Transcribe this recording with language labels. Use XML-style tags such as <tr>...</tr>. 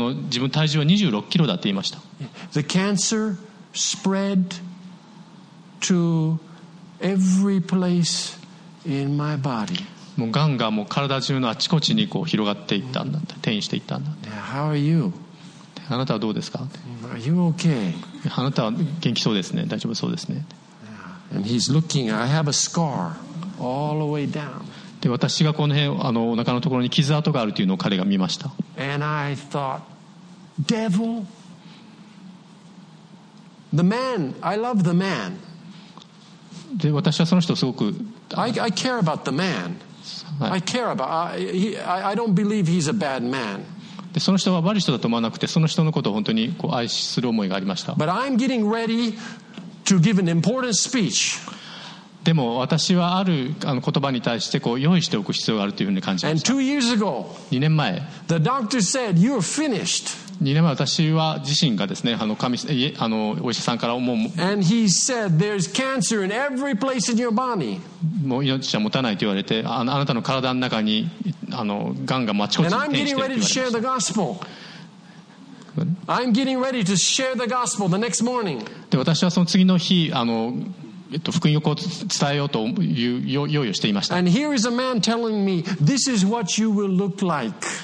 <ja>自分体重は26キロだって言いました。</ja> <en>The cancer spread to every place in my body.</en> <ja>もうがんがもう体中のあちこちにこう広がっていったんだって、転移していったんだって。</ja> <en>Now, how are you?</en> <ja>あなたはどうですか?</ja> <en>Are you okay?</en> <ja>あなたは元気そうですね。大丈夫そうですね。</ja> <en>And he's looking. I have a scar all the way down.</en> <ja>で、私がこの辺お腹のところに傷跡があるというのを彼が見ました。</ja> <en>And I thought, devil, the man. I love the man.</en> <ja>で、私はその人をすごく。</ja> <en>I care about the man. I care about. I don't believe he's a bad man.</en> <ja>でその人は悪い人だと思わなくて、その人のことを本当にこう愛する思いがありました。</ja> <en>But I'm getting ready to give an important speech.</en> <ja>でも私はある言葉に対してこう用意しておく必要があるというふうに感じました。</ja> <en>And 2 years ago,</en> <ja>2年前、</ja> <en>the doctor said, you're finished.</en> <ja>2年前、私は自身がですね、お医者さんから思う。</ja> <en>And he said, there's cancer in every place in your body.</en> <ja>もう命は持たないと言われて、あなたの体の中にがんがあちこちに転移してると言われました。</ja> <en>I'm getting ready to share the gospel the next morning.</en> <ja>で、私はその次の日、福音を伝えようという用意をしていました。</ja> <en>And here is a man telling me, this is what you will look like.</en>